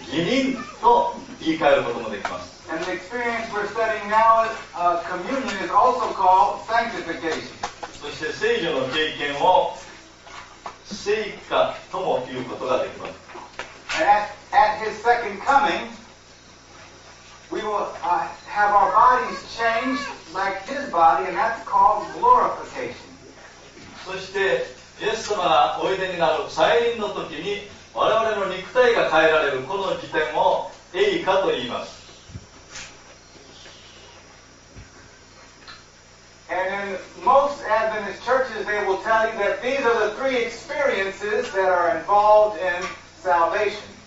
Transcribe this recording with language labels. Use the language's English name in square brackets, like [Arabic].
[Japanese] 外庭の経験を義認と言い換えることもできます。 [English] And the experience we're studying now is communion is also called sanctification. [Japanese] そして聖所の経験を 聖化とも言うことができます。 [English] At his second coming, we will have our bodies changed like his body, and that's called glorification. [Japanese] そして、イエス様がおいでになる再臨の時に、我々の肉体が変えられる、この時点を栄化と言います。 [English] And in most Adventist churches, they will tell you that these are the three experiences that are involved in salvation.